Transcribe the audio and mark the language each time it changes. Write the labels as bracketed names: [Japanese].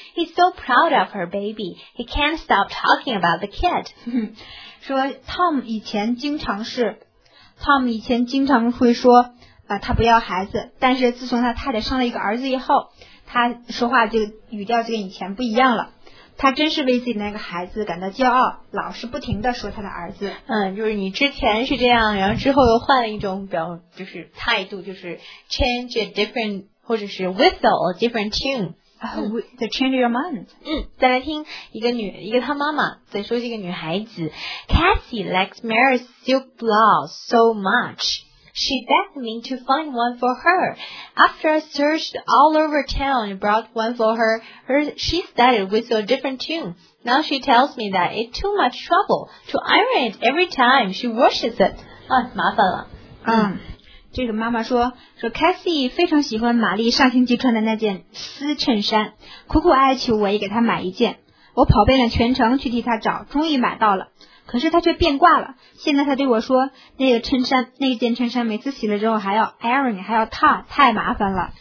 [English] He's so proud of her baby, he can't stop talking about the kid. [Chinese] 说 Tom 以前经常会说、他不要孩子，但是自从他太太生了一个儿子以后，他说话就语调就跟以前不一样了。他真是为自己那个孩子感到骄傲，老是不停地说他的儿子。就是你之前是这样，然后之后又换了一种表，就是态度，就是 [English] change a different， [Chinese] 或者是 [English] whistle a different tune。 To change your mind。 [Chinese] 再来听一个他妈妈在说这个女孩子 ， [English] Cassie likes Mary's silk blouse so much。 She begged me to find one for her. After I searched all over town and brought one for her, she started with a different tune. Now she tells me that it's too much trouble to iron it every time she washes it. [Chinese] 麻烦了。这个妈妈说 Cassie 非常喜欢玛丽上星期穿的那件丝衬衫，苦苦哀求我也给她买一件。我跑遍了全城去替她找，终于买到了。可是他却变卦了。现在他对我说，那件衬衫每次洗了之后还要 iron， 还要烫，太麻烦了。